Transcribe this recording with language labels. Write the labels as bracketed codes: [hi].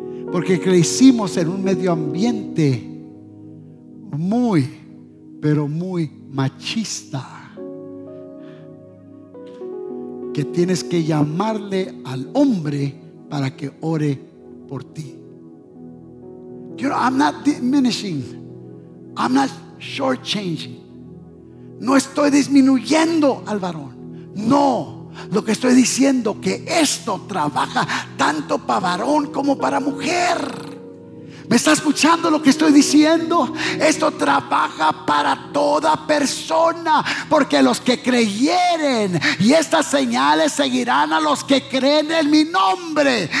[es] Porque crecimos en un medio ambiente muy, pero muy machista. Que tienes que llamarle al hombre para que ore por ti. [en] You know, I'm not diminishing. I'm not shortchanging. [es] No estoy disminuyendo al varón. No. Lo que estoy diciendo que esto trabaja tanto para varón como para mujer. ¿Me está escuchando lo que estoy diciendo? Esto trabaja para toda persona, porque los que creyeren, y estas señales seguirán a los que creen en mi nombre.